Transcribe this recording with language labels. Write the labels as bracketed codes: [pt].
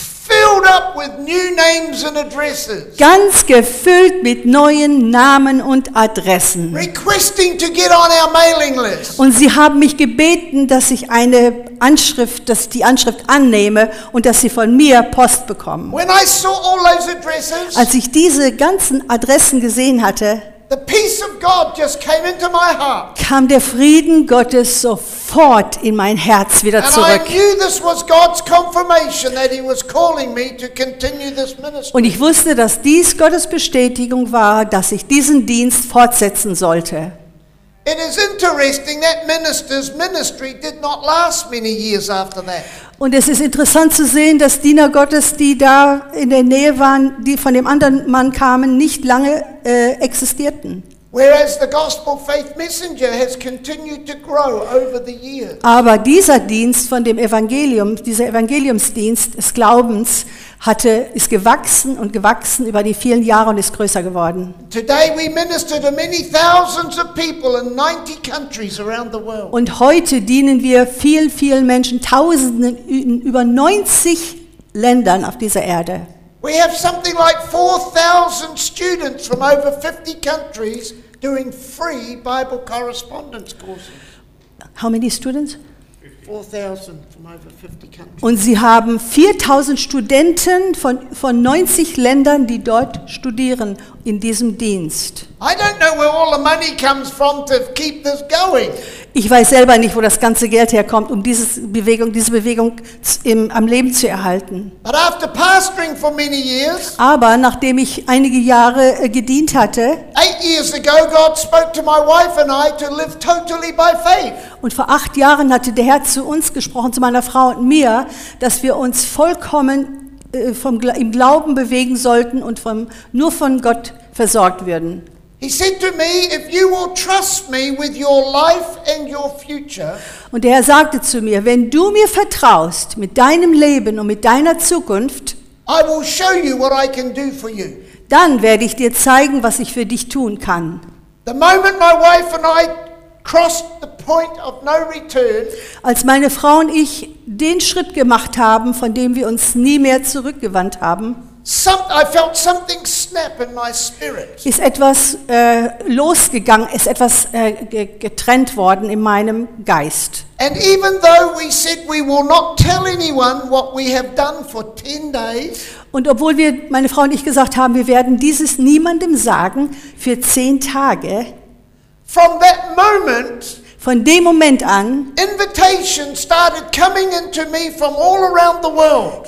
[en] Filled up with new names and addresses. [de] Ganz gefüllt mit neuen Namen und Adressen. [en] Requesting to get on our mailing list. [de] Und sie haben mich gebeten, dass ich eine Anschrift, dass die Anschrift annehme und dass sie von mir Post bekommen. [en] When I saw all those addresses, [de] als ich diese ganzen Adressen gesehen hatte, [en] the peace of God just came into my heart. [de] Kam der Frieden Gottes sofort in mein Herz wieder zurück. [en] And I knew this was God's confirmation that he was calling me to continue this ministry. [de] Und ich wusste, dass dies Gottes Bestätigung war, dass ich diesen Dienst fortsetzen sollte. [en] It is interesting that minister's ministry did not last many years after that. [de] Und es ist interessant zu sehen, dass Diener Gottes, die da in der Nähe waren, die von dem anderen Mann kamen, nicht lange existierten. [en] Whereas the gospel faith messenger has continued to grow over the years. [de] Aber dieser Dienst von dem Evangelium, dieser Evangeliumsdienst des Glaubens, ist gewachsen und gewachsen über die vielen Jahre und ist größer geworden. [en] Today we minister to many thousands of people in 90 countries around the world. [de] Und heute dienen wir vielen Menschen, Tausenden in über 90 Ländern auf dieser Erde. [en] We have something like 4,000 students from over 50 countries doing free Bible correspondence courses. How many students? 4,000 from over 50 countries. [de] Und sie haben 4,000 Studenten von 90 Ländern, die dort studieren in diesem Dienst. [en] I don't know where all the money comes from to keep this going. [de] Ich weiß selber nicht, wo das ganze Geld herkommt, um diese Bewegung am Leben zu erhalten. [en] But after pastoring for many years, [de] aber nachdem ich einige Jahre gedient hatte, [en] 8 years ago, God spoke to my wife and I to live totally by faith. [de] Und vor 8 Jahren hatte der Herr zu uns gesprochen, zu meiner Frau und mir, dass wir uns vollkommen im Glauben bewegen sollten und nur von Gott versorgt werden. [en] He said to me, if you will trust me with your life and your future. [de] Und der Herr sagte zu mir, wenn du mir vertraust mit deinem Leben und mit deiner Zukunft, [en] I will show you what I can do for you. [de] Dann werde ich dir zeigen, was ich für dich tun kann. [en] The moment my wife and I crossed the point of no return, [de] als meine Frau und ich den Schritt gemacht haben, von dem wir uns nie mehr zurückgewandt haben, [en] I felt something snap. snap in my spirit. [de] Ist etwas losgegangen, ist etwas getrennt worden in meinem Geist. [en] And even though we said we will not tell anyone what we have done for 10 days. [de] Und obwohl wir, meine Frau und ich, gesagt haben, wir werden dieses niemandem sagen für 10 Tage. [en] From that moment, [de] von dem Moment an, [en] invitations started coming into me from all around the world.